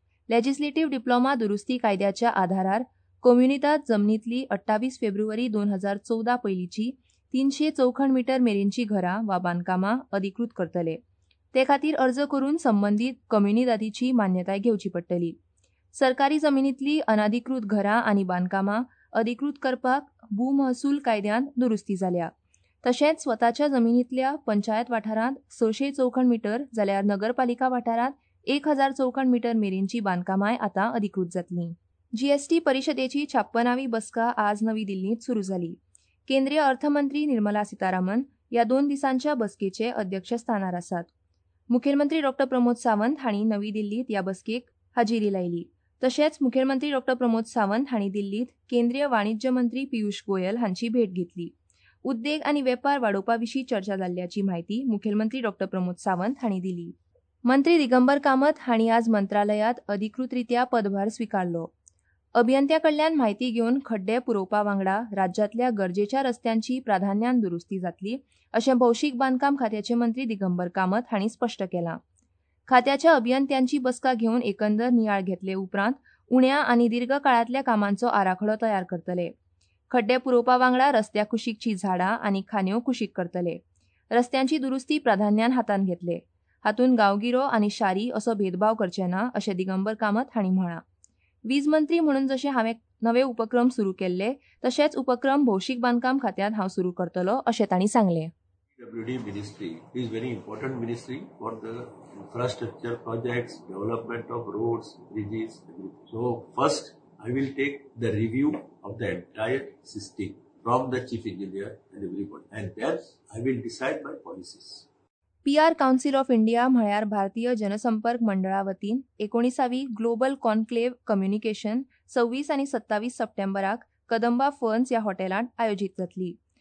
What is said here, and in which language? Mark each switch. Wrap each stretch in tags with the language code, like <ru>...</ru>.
<kok>लॅजिस्लेटीव्ह डिप्लोमा दुरुस्ती कायद्याच्या आधारार कम्युनिदाद जमनींतली 28 फेब्रुवारी 2014 पयलींची 364 मीटर मेरेनची घरां वा बांदकामां अधिकृत करतले. ते खातीर अर्ज करून संबंधीत कम्युनिदादीची मान्यताय घेवची पडटली. सरकारी जमिनींतली अनाधिकृत घरां आनी बांदकामां अधिकृत करपाक भूमहसूल कायद्यान दुरुस्ती जाल्या. तशेंच स्वताच्या जमिनींतल्या पंचायत वाठारांत 664 मीटर जाल्यार नगरपालिका वाठारांत 1000 मीटर मेरेनची बांदकामांय आतां अधिकृत जातली. GST परिशदेची 56वी बसका आज नवी दिल्लींत सुरू जाली. केंद्रीय अर्थमंत्री निर्मला सितारामन ह्या 2 दिसांच्या बसकेचे अध्यक्षस्थानार आसात. मुखेलमंत्री डॉ प्रमोद सावंत हांणी नवी दिल्लींत ह्या बसकेक हाजिरी लायली. तशेंच मुखेलमंत्री डॉ प्रमोद सावंत हांणी दिल्लींत केंद्रीय वाणिज्य मंत्री पियुश गोयल हांची भेट घेतली. उद्देग आनी वेपार वाडोवपा विशीं चर्चा जाल्ल्याची म्हायती मुखेलमंत्री डॉ प्रमोद सावंत हांणी दिली. मंत्री दिगंबर कामत हांणी आज मंत्रालयांत अधिकृतरित्या पदभार स्विकारलो. अभियंत्यांकडल्यान म्हायती घेवन खड्डे पुरोवपा वांगडा राज्यांतल्या गरजेच्या रस्त्यांची प्राधान्यान दुरुस्ती जातली अशें भौशीक बांदकाम खात्याचे मंत्री दिगंबर कामत हांणी स्पश्ट केलां. खात्याच्या अभियंत्यांची बसका घेवन एकंदर नियाळ घेतले उपरांत उण्या आनी दीर्घकाळांतल्या कामांचो आराखडो तयार करतले. खड्डे पुरोवपा वांगडा रस्त्या कुशीकची झाडां आनी खांद्यो कुशीक करतले. रस्त्यांची दुरुस्ती प्राधान्यान हातांत घेतले. हातूंत गांवगिरो आनी शारी असो भेदभाव करचे ना अशें दिगंबर कामत हांणी म्हळां. वीज मंत्री म्हणून जशें हांवें नवे उपक्रम सुरू केल्ले तशेंच उपक्रम भौशीक बांदकाम खात्यांत हांव सुरू करतलो अशें तांणी सांगलें.</kok> <en>WD ministry is very important ministry for the infrastructure projects, development of roads, bridges. So first I will take the review of the entire system from the chief engineer and everybody, and then I will decide my policies.</en> <kok>PR Council of India म्हळ्यार भारतीय जनसंपर्क मंडळा वतीन 19वी global conclave communication 26 आनी 27 सप्टेंबराक कदंबा फर्न्स ह्या हॉटेलांत आयोजीत जातली.</kok>